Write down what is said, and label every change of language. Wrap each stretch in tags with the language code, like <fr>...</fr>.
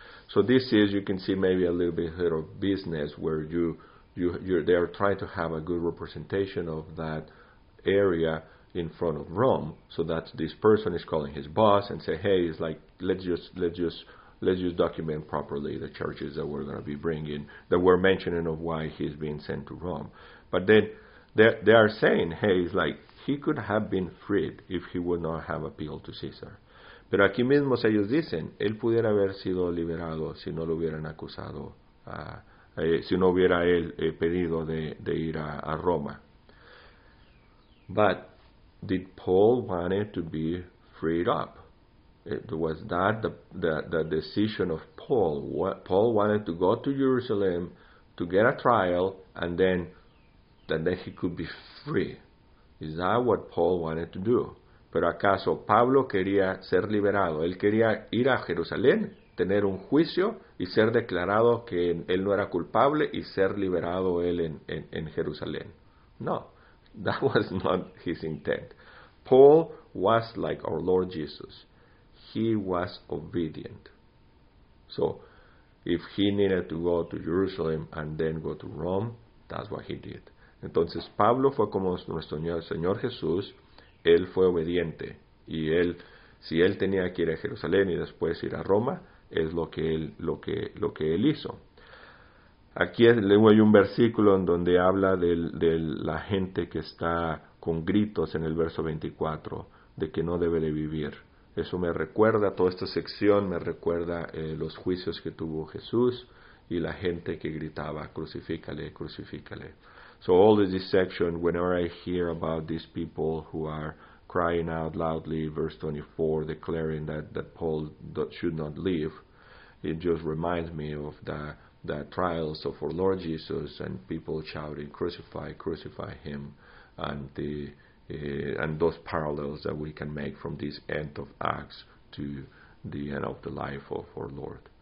<en>So this is, you can see maybe a little bit of business where they are trying to have a good representation of that area in front of Rome, so that this person is calling his boss and say, hey, it's like, let's just document properly the charges that we're going to be bringing, that we're mentioning of why he's being sent to Rome. But then they are saying, hey, it's like, he could have been freed if he would not have appealed to Caesar.</en> <es>Pero aquí mismo ellos dicen, él pudiera haber sido liberado si no lo hubieran acusado, si no hubiera él pedido de ir a Roma.</es> <en>But did Paul want it to be freed up? Was that the decision of Paul? What, Paul wanted to go to Jerusalem to get a trial and then he could be free. Is that what Paul wanted to do?</en> <es>Pero acaso Pablo quería ser liberado. Él quería ir a Jerusalén, tener un juicio y ser declarado que él no era culpable y ser liberado él en Jerusalén. No.</es> <en>That was not his intent. Paul was like our Lord Jesus. He was obedient. So if he needed to go to Jerusalem and then go to Rome, that's what he did.</en> <es>Entonces Pablo fue como nuestro Señor Jesús. Él fue obediente. Y él, si él tenía que ir a Jerusalén y después ir a Roma, es lo que él, lo que él hizo. Aquí hay un versículo en donde habla de la gente que está con gritos en el verso 24, de que no debe de vivir. Eso me recuerda, toda esta sección me recuerda los juicios que tuvo Jesús y la gente que gritaba, crucifícale, crucifícale.</es> <en>So all this section, whenever I hear about these people who are crying out loudly, verse 24, declaring that Paul should not live, it just reminds me of the trials of our Lord Jesus and people shouting, crucify, crucify him, and and those parallels that we can make from this end of Acts to the end of the life of our Lord.</en>